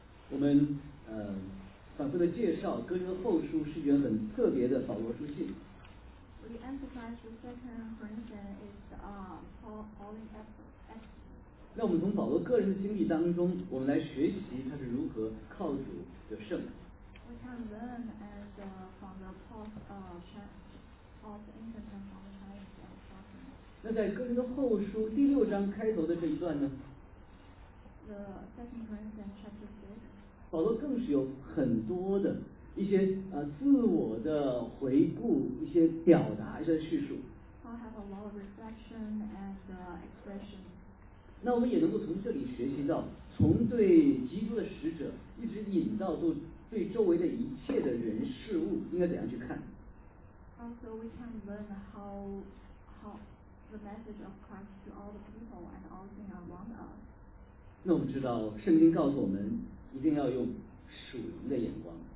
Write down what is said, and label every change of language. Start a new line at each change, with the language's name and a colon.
Chinese: 我们反复的介绍哥林多后书是一本很特别的保罗书信。
English: We emphasize the second Corinthians is Paul's epistle.
Chinese: 那我们从保罗个人的经历当中，我们来学习他是如何靠主得胜。
English: We can learn from the Paul's epistle.
Chinese: 那在哥林多后书第六章开头的这一段呢
English: ？The second Corinthians chapter six.
Chinese: 保罗更是有很多的。一些自我的回顾，一些表达，一些叙述。
English: I have a lot of reflection and expression.
Chinese: 那我们也能够从这里学习到，从对基督的使者，一直引到对周围的一切的人事物，应该怎样去看。
English: Also, we can learn how the message of Christ to all the people and all things around us.
Chinese: 那我们知道，圣经告诉我们，一定要用属灵的眼光。